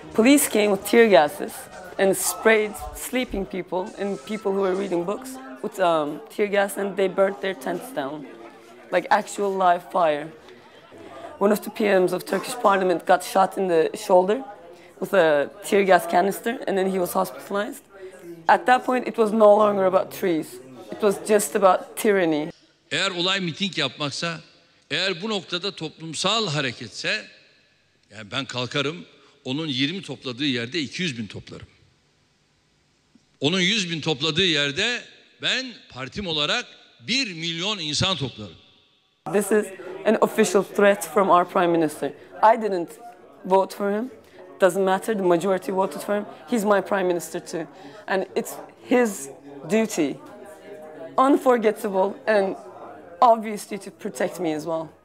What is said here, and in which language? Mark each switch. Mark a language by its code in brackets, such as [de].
[en] Police came with tear gases and sprayed sleeping people and people who were reading books with tear gas, and they burnt their tents down, like actual live fire. One of the PMs of Turkish Parliament got shot in the shoulder with a tear gas canister, and then he was hospitalized. At that point, it was no longer about trees. It was just about tyranny. [tr] Eğer olay miting yapmaksa, eğer bu noktada toplumsal hareketse, yani ben kalkarım, onun 20 topladığı yerde 200 bin toplarım. Onun 100 bin topladığı yerde ben partim olarak 1 milyon insan toplarım. [en] This is an official threat from our prime minister. I didn't vote for him. Doesn't matter, the majority voted for him. He's my prime minister too. And it's his duty, unforgettable and obvious duty, to protect me as well.